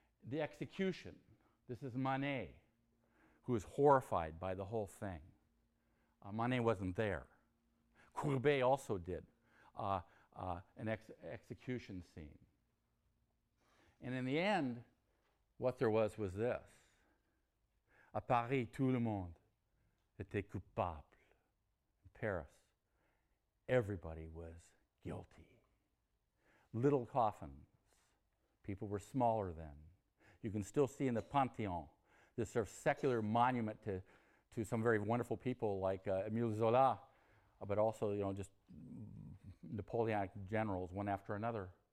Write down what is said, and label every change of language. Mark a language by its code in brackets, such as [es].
[en] the execution. This is Manet, who is horrified by the whole thing. Manet wasn't there. Courbet also did an execution scene. And in the end, what there was this. [fr] À Paris, tout le monde était coupable. [en] In Paris, everybody was guilty. Little coffins. People were smaller then. You can still see in the Pantheon this sort of secular monument to some very wonderful people like Emile Zola, but also, you know, just Napoleonic generals, one after another.